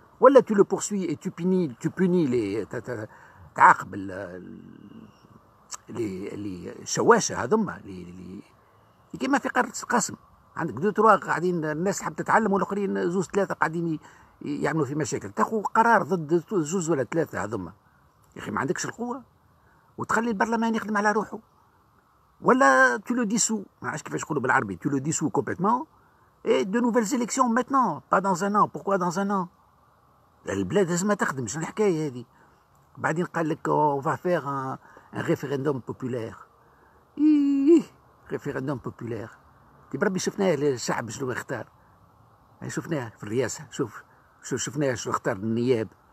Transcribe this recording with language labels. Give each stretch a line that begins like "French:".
Arabic: ولا
French: tu le poursuis et tu punis les
Arabic: تعاقب اللي شواشه هذوما اللي كيما في قرية القاسم، عندك دو تروا قاعدين الناس حاب تتعلم، والاخرين زوز ثلاثه قاعدين يعملوا في مشاكل، تاخو قرار ضد زوز ولا ثلاثه هذوما يا اخي، ما عندكش القوه، وتخلي البرلمان يخدم على روحه. ولا
French: tu le dissous،
Arabic: ما عرفتش كيفاش يقولوا بالعربي،
French: tu le dissous complètement et de nouvelles élections maintenant pas dans un an. Pourquoi dans un an؟
Arabic: البلاد لازم تخدم، شنو الحكايه هذه؟ بعدين قال لك
French: اون فافير ان ريفيرندوم بوبولير.
Arabic: ايه ريفيرندوم بوبولير، تي بربي شفناه الشعب شنو اختار، شفناه في الرئاسه، شوف شفناه شنو اختار النياب.